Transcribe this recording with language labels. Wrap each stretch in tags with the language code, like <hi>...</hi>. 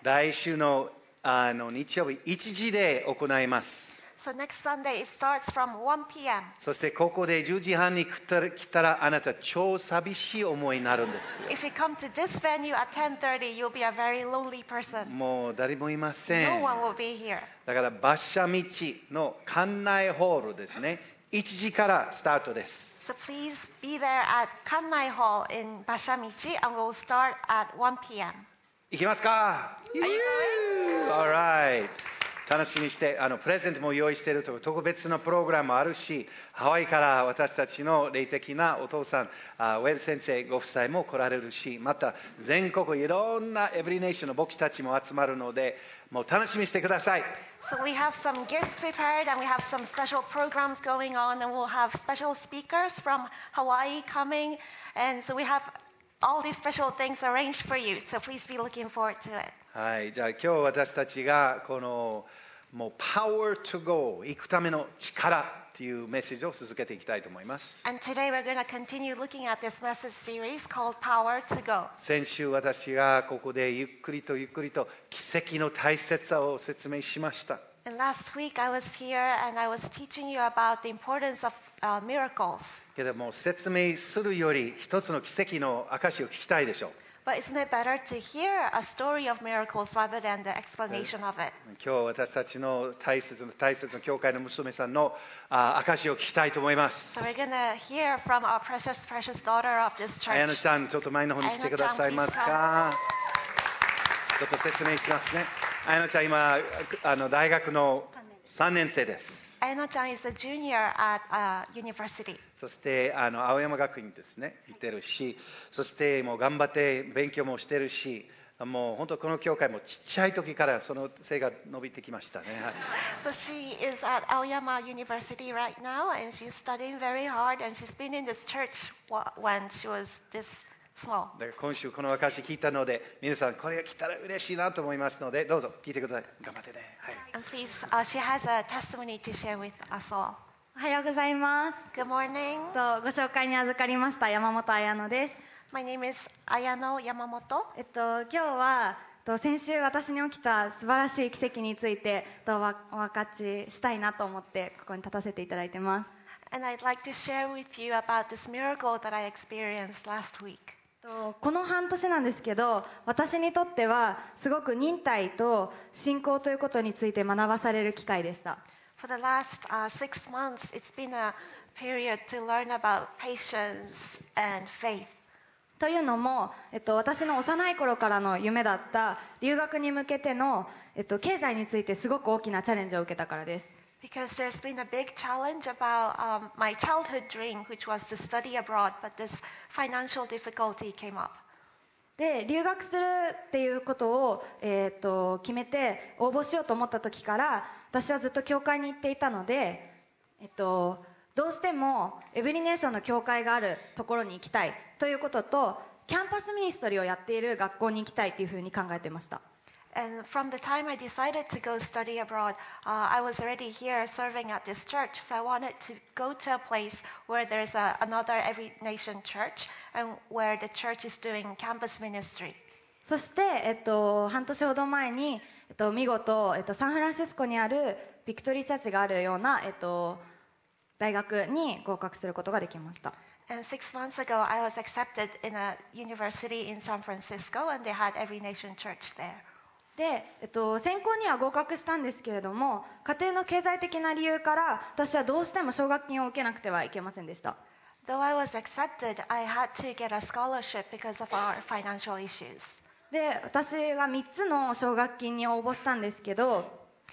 <ja>来週の、日曜日1時で行います。</ja> <en>So next Sunday it starts from 1 p.m.</en> <ja>そしてここで10時半に来たらあなた超寂しい思いになるんです。</ja> <en>If you come to this venue at 10:30, you'll be a very lonely person.</en> <ja>もう誰もいません。</ja> <en>No one will be here.</en> <ja>だから馬車道の館内ホールですね。 1時からスタートです。</ja> <en>So please be there at Kannai Hall in Bashamichi and we'll start at 1 p.m.</en> <ja>行きますか?</ja> <en>Are you going? All right.</en> <ja>楽しみにして、プレゼントも用意しているとか、特別なプログラムもあるし、ハワイから私たちの霊的なお父さん、ウェル先生ご夫妻も来られるし、また全国いろんなエブリネーションの牧師たちも集まるので、もう楽しみにしてください。</ja> <en>So we have some gifts prepared and we have some special programs going on and we'll have special speakers from Hawaii coming and so we have all these special things arranged for you so please be looking forward to it.</en> <ja>はい、じゃあ今日私たちがこのもう Power to Go 行くための力というメッセージを続けていきたいと思います。</ja> <en>And today we're going to continue looking at this message series called Power to Go.</en> <ja>先週私がここでゆっくりとゆっくりと奇跡の大切さを説明しました。</ja> <en>And last week I was here and I was teaching you about the importance of miracles.</en> <ja>けども説明するより一つの奇跡の証を聞きたいでしょう。</ja> <en>But isn't it better to hear a story of miracles rather than the explanation of it?</en> <ja>今日私たちの大切な教会の娘さんの証を聞きたいと思います。</ja> <en>So we're gonna hear from our precious daughter of this church.</en> <ja>アヤナちゃん、ちょっと前の方に来てくださいますか。ちょっと説明しますね。アヤナちゃん今大学の3年生です。</ja> <en>アヤナちゃん is a junior at a university.</en> <ja>そして青山学院ですね、行ってるし、そしてもう頑張って勉強もしてるし、もう本当この教会もちっちゃい時からその背が伸びてきましたね。</ja> <en>So she is at 青山 University right now, and she's studying very hard, and she's been in this church when she was this small.</en> <ja>だから今週この証聞いたので、皆さんこれが来たら嬉しいなと思いますので、どうぞ聞いてください。頑張ってね。</ja> <en>And please, she has a testimony to share with us all.</en> <ja>おはようございます。</ja> <en>Good morning.</en> <ja>とご紹介に預かりました山本彩乃です。</ja> <en>My name is Ayano Yamamoto.</en> <ja>今日はと先週私に起きた素晴らしい奇跡についてとお分かちしたいなと思ってここに立たせていただいてます。</ja> <en>And I'd like to share with you about this miracle that I experienced last week.</en> <ja>とこの半年なんですけど、私にとってはすごく忍耐と信仰ということについて学ばされる機会でした。</ja> <en>For the last six months, it's been a period to learn about patience and faith.</en> <ja>というのも、私の幼い頃からの夢だった留学に向けての、経済についてすごく大きなチャレンジを受けたからです。</ja> <en>Because there's been a big challenge about my childhood dream, which was to study abroad, but this financial difficulty came up.</en> <ja>で、留学するっていうことを、決めて応募しようと思った時から、私はずっと教会に行っていたので、どうしてもエブリネーションの教会があるところに行きたいということと、キャンパスミニストリーをやっている学校に行きたいというふうに考えていました。</ja> <en>And from the time I decided to go study abroad, I was already here serving at this church, so I wanted to go to a place where there's another Every Nation church and where the church is doing campus ministry.</en> <ja>そして、半年ほど前に、見事、サンフランシスコにあるビクトリーチャーチがあるような、大学に合格することができました。</ja> <en>And six months ago, I was accepted in a university in San Francisco, and they had Every Nation Church there.</en> <ja>で、専攻には合格したんですけれども、家庭の経済的な理由から、私はどうしても奨学金を受けなくてはいけませんでした。</ja> <en>Though I was accepted, I had to get a scholarship because of our financial issues.</en> <ja>で、私が3つの奨学金に応募したんですけど、</ja>